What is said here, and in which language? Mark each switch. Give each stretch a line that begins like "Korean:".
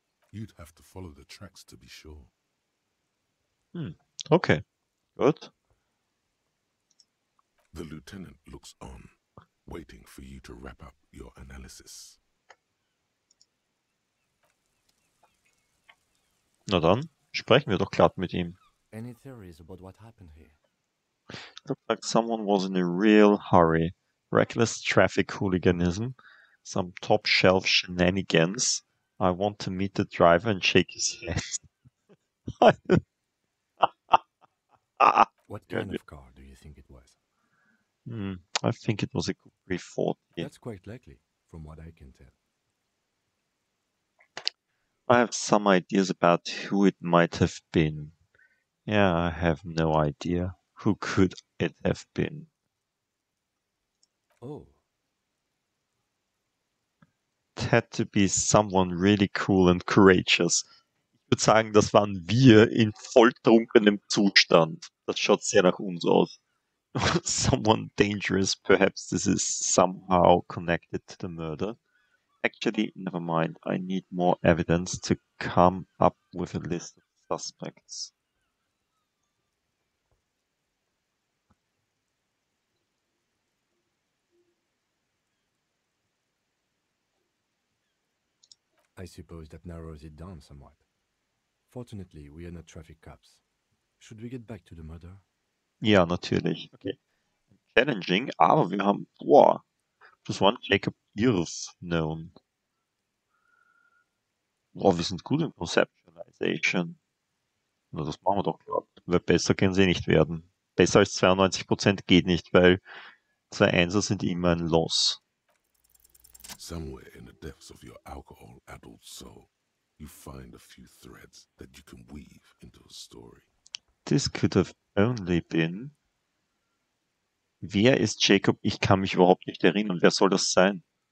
English: You'd have to follow the tracks to be sure.
German: Okay, gut.
English: The lieutenant looks on, waiting for you to wrap up your analysis.
German: Na dann, sprechen wir doch glatt mit ihm.
English: Any theories about what happened here? Looked like someone was in a real hurry. Reckless traffic hooliganism. Some top shelf shenanigans. I want to meet the driver and shake his hand. What kind of car do you think it was? I think it was a Cupri 40. That's quite likely, from what I can tell. I have some ideas about who it might have been. Yeah, I have no idea. Who could it have been? Oh. It had to be someone really cool and courageous.
German: Ich würde sagen, das waren wir in volltrunkenem Zustand. Das schaut sehr nach uns aus.
English: Someone dangerous, perhaps this is somehow connected to the murder. Actually, never mind. I need more evidence to come up with a list of suspects. I suppose that narrows it down somewhat. Fortunately, we are not traffic cops. Should we get back to the murder?
German: Ja, natürlich. Okay. Challenging, aber wir haben. Boah. Das war ein Jacob Irv known. Boah, wir sind gut in Conceptualization. Na, das machen wir doch gerade. Weil besser können sie nicht werden. Besser als 92% geht nicht, weil 2-1er sind immer ein Loss.
English: Somewhere in the depths of your alcohol-addled soul, you find a few threads that you can weave into a story. This could have only been...
German: Wer ist Jacob? Ich kann mich überhaupt nicht erinnern. Wer soll das sein?